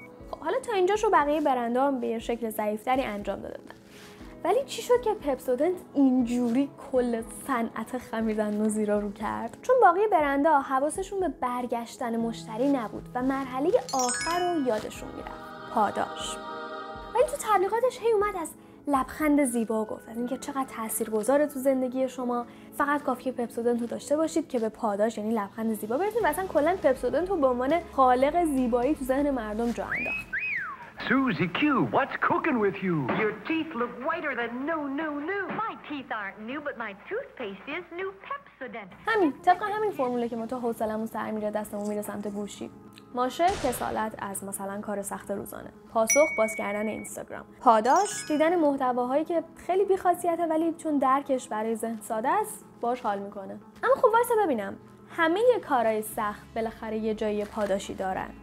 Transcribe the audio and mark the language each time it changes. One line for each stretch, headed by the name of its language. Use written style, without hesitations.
Persian: خب حالا تا اینجاشو بقیه برندا هم به شکل ضعیف‌تری انجام دادن، ولی چی شد که پپسودنت اینجوری کل صنعت خمیردندون زیرا رو کرد؟ چون باقی برندها حواسشون به برگشتن مشتری نبود و مرحله آخر رو یادشون میرفت، پاداش. ولی تو تبلیغاتش هی اومد از لبخند زیبا گفت، از اینکه چقدر تاثیرگذاره تو زندگی شما، فقط کافیه پپسودنت رو داشته باشید که به پاداش یعنی لبخند زیبا برسید. و اصلا کلا پپسودنت رو به عنوان خالق زیبایی تو ذهن مردم جا انداخت.
English: Suzy Q, what's cooking with you? Your teeth look whiter than new. My teeth aren't new, but my toothpaste is new Pepsodent.
Persian: همین، طبق همین فرموله که ما تا حوصله‌مون سر میره دستمون میره سمت گوشی. ماشه کسالت از مثلا کار سخت روزانه. پاسخ باز کردن اینستاگرام. پاداش دیدن محتواهایی که خیلی بی‌خاصیته ولی چون درکش برای ذهن ساده است، باش حال میکنه. اما خب واسه ببینم، همه کارهای سخت بالاخره یه جای پاداشی دارن.